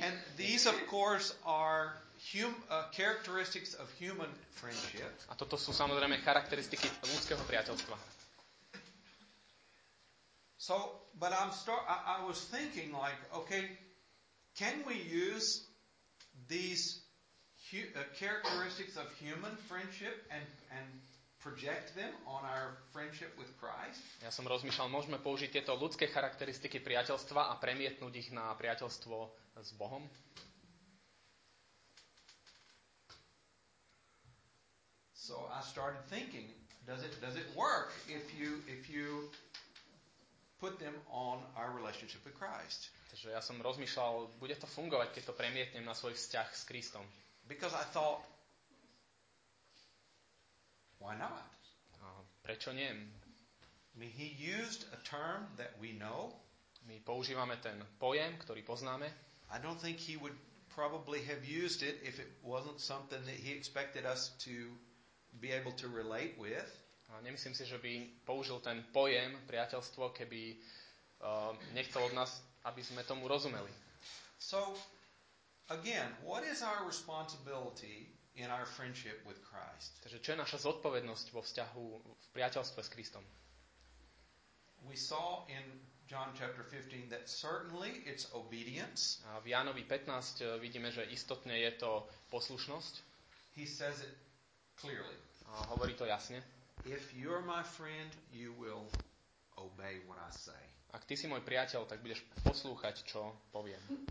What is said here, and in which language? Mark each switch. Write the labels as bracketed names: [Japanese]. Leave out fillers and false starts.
[English] And these of course are characteristics of human friendship. [Slovak] A toto sú samozrejme charakteristiky ľudského priateľstva. [English] So, but I was thinking like, okay, can we use these characteristics of human friendship and project them on our friendship with Christ? [Slovak] Ja som rozmýšľal, môžeme použiť tieto ľudské charakteristiky priateľstva a premietnúť ich na priateľstvo s Bohom? [English] So I started thinking, does it work if you put them on our relationship with Christ? [Slovak] Takže ja som rozmýšľal, bude to fungovať, keď to premietnem na svoj vzťah s Kristom. [English] Because I thought, why not? [Slovak] Prečo nie? [English] He used a term that we know. [Slovak] My používame ten pojem, ktorý poznáme. [English] I don't think he would probably have used it if it wasn't something that he expected us to be able to relate with. [Slovak] A nemyslím si, že by použil ten pojem priateľstvo, keby nechcel od nás, aby sme tomu rozumeli. [English] So again, what is our responsibility in our friendship with Christ. [Slovak] Takže čo je naša zodpovednosť vo vzťahu v priateľstve s Kristom? [English] We saw in John chapter 15 that certainly it's obedience. [Slovak] A v Jánovi 15 vidíme, že istotne je to poslušnosť. [English] He says it clearly. [Slovak] A hovorí to jasne. [English] If you're my friend, you will obey what I say. [Slovak] Ak ty si môj priateľ, tak budeš poslúchať, čo poviem.